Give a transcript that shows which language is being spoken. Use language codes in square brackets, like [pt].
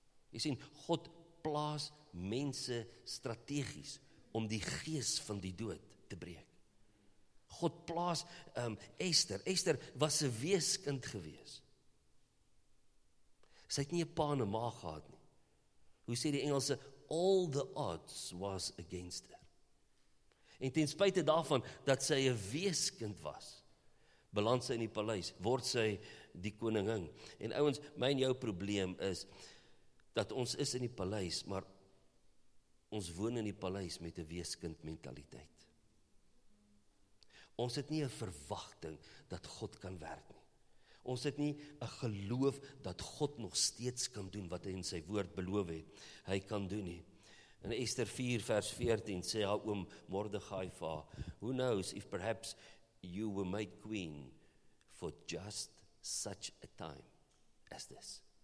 [af] Jy sien, God plaas mense strategies om die gees van die dood te breek. God plaas Esther. Esther was 'n weeskind gewees. Sy het nie 'n pa en 'n ma gehad nie. Hoe sê die Engelse, [en] all the odds was against her. [af] En ten spyte daarvan dat sy 'n weeskind was, beland sy in die paleis, word sy die koningin. En ouens, my en jou probleem is, dat ons is in die paleis, maar ons woon in die paleis met 'n weeskind mentaliteit. Ons het nie 'n verwagting dat God kan werk nie. Ons het nie 'n geloof dat God nog steeds kan doen wat hy in sy woord beloof het. Hy kan doen nie. In Esther 4 vers 14 sê haar oom Mordegai vir haar, [en] "Who knows if perhaps you were made queen for just such a time as this."